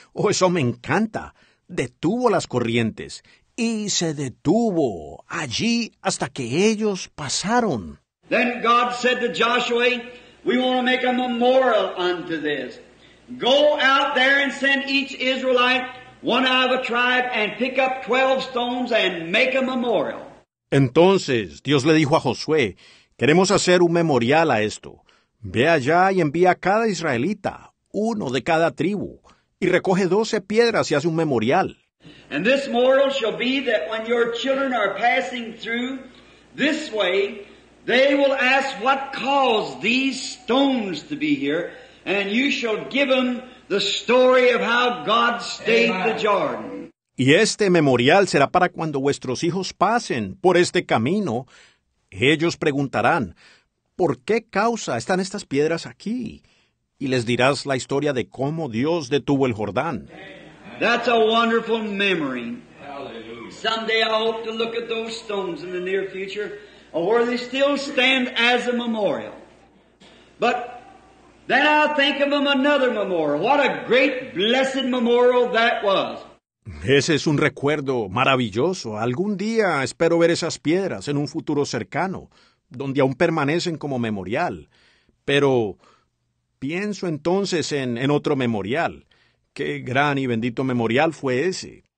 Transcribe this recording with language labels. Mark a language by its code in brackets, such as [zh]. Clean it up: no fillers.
[es] Oh, eso me encanta. Detuvo las corrientes. Y se detuvo allí hasta que ellos pasaron. [en] Then God said to Joshua, we want to make a memorial unto this. Go out there and send each Israelite one out of a tribe and pick up 12 stones and make a memorial. [es] Entonces Dios le dijo a Josué, queremos hacer un memorial a esto. Ve allá y envía a cada israelita, uno de cada tribu, y recoge 12 piedras y hace un memorial. [en] And this memorial shall be that when your children are passing through this way, they will ask what caused these stones to be here, and you shall give them the story of how God stayed the Jordan. [es] Y este memorial será para cuando vuestros hijos pasen por este camino. Ellos preguntarán, ¿por qué causa están estas piedras aquí? Y les dirás la historia de cómo Dios detuvo el Jordán. [en] That's a wonderful memory. Hallelujah. Someday I hope to look at those stones in the near future, or where they still stand as a memorial. But then I think of them another memorial. What a great blessed memorial that was. [es] Ese es un recuerdo maravilloso. Algún día espero ver esas piedras en un futuro cercano, donde aún permanecen como memorial. Pero pienso entonces en otro memorial. ¡Qué gran y bendito memorial fue ese!